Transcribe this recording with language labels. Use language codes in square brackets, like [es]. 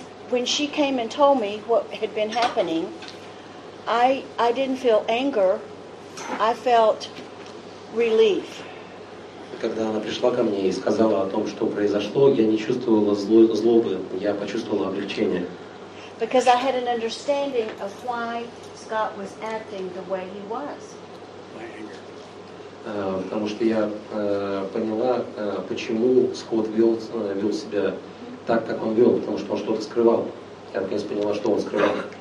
[en] When she came and told me what had been happening, I didn't feel anger. I felt relief. [ru] Когда она пришла ко мне и сказала о том, что произошло, я не чувствовала злобы, я почувствовала облегчение. [en] Because I had an understanding of why Scott was acting the way he was. [ru] Потому что я поняла, почему Скотт вел себя так, как он вел, потому что он что-то скрывал. Я наконец поняла, что он скрывал.